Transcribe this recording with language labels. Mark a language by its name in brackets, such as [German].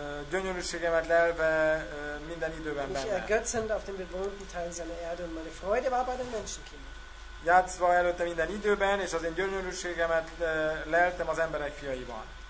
[Hungarian] Gyönyörűségemet lelve minden időben benne. [German] Ich ergötzend auf den bewohnten Teilen seiner Erde und meine Freude war bei den Menschenkindern. [Hungarian] Játszva előtte minden időben, és az én gyönyörűségemet leltem az emberek fiaiban.